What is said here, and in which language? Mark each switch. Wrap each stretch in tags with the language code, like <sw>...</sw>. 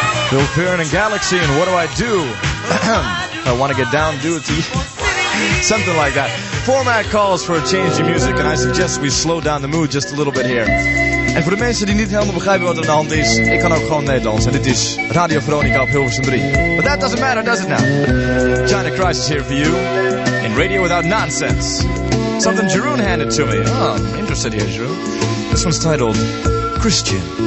<en>Bill Fearon and Galaxy, and What Do I Do? I Want to Get Down, Do It To You. Something like that. Format calls for a change in music, and I suggest we slow down the mood just a little bit here.</en> <nl>En voor de mensen die niet helemaal begrijpen wat er aan de hand is, ik kan ook gewoon Nederlands. En dit is Radio Veronica op Hilversum 3.</nl> <en>But that doesn't matter, does it now? China Crisis here for you, in Radio Without Nonsense. Something Jeroen handed to me. Oh, I'm interested here, Jeroen. This one's titled Christian.</en>